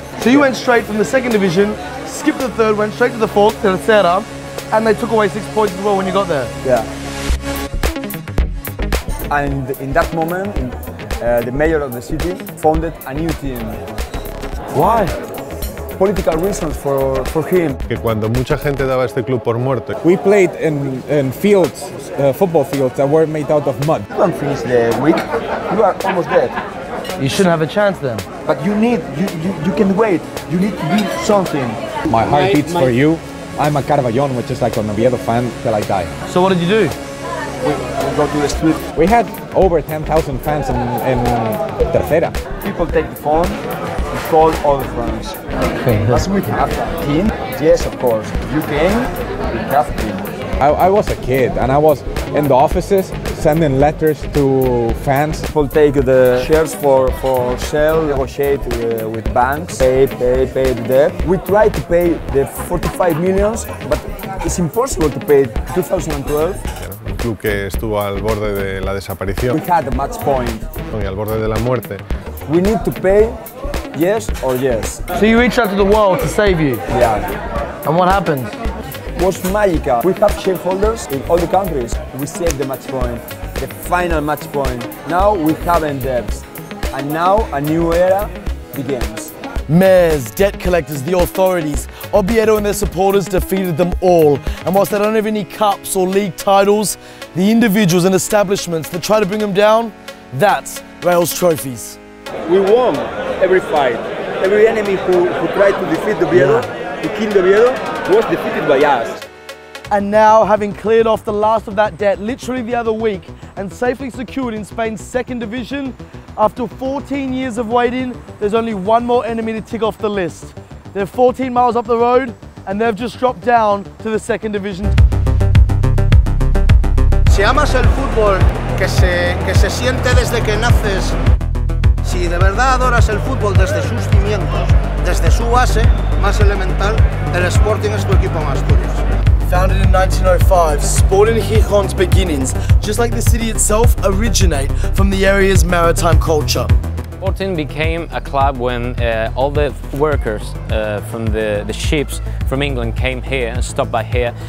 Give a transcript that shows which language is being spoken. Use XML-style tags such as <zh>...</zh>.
<en>So you went straight from the second division, skipped the third, went straight to the fourth, tercera, and they took away 6 points as well when you got there. Yeah. And in that moment, the mayor of the city founded a new team. Why? Political reasons for him.</en> <es>Que cuando mucha gente daba este club por muerto.</es> <en>We played in fields, football fields that were made out of mud. You don't finish the week, you are almost dead. You shouldn't have a chance then. But you can wait, you need to do something. My heart beats for you. I'm a Carvallon, which is like an Oviedo fan till I die. So what did you do? We go to the street. We had over 10,000 fans in Tercera. People take the phone and call all the friends. Okay. Does we have a team? Yes, of course. If you came, we have a team. I was a kid and I was in the offices sending letters to fans. People take the shares for sale, negotiate with banks, pay the debt. We try to pay the 45 million, but it's impossible to pay 2012.</en> <es>Club que estuvo al borde de la desaparición.</es> <en>We had a match point.</en> <es>Y al borde de la muerte.</es> <en>We need to pay, yes or yes. So you reached out to the world to save you. Yeah. And what happened? It was magical. We have shareholders in all the countries. We saved the match point, the final match point. Now we have debts, and now a new era begins. Mayors, debt collectors, the authorities. Oviedo and their supporters defeated them all. And whilst they don't have any cups or league titles, the individuals and establishments that try to bring them down, that's Real's trophies. We won every fight. Every enemy who tried to defeat the Oviedo, to kill the Oviedo, was defeated by us. And now, having cleared off the last of that debt literally the other week and safely secured in Spain's second division, after 14 years of waiting, there's only one more enemy to tick off the list. They're 14 miles up the road and they've just dropped down to the second division.</en> <es>Si amas el fútbol que se siente desde que naces, si de verdad adoras el fútbol desde sus cimientos, desde su base más elemental, el Sporting es tu equipo en Asturias.</es> <en>Founded in 1905, sport in Gijón's beginnings, just like the city itself, originate from the area's maritime culture. Sporting became a club when all the workers from the ships from England came here and stopped by here.</en>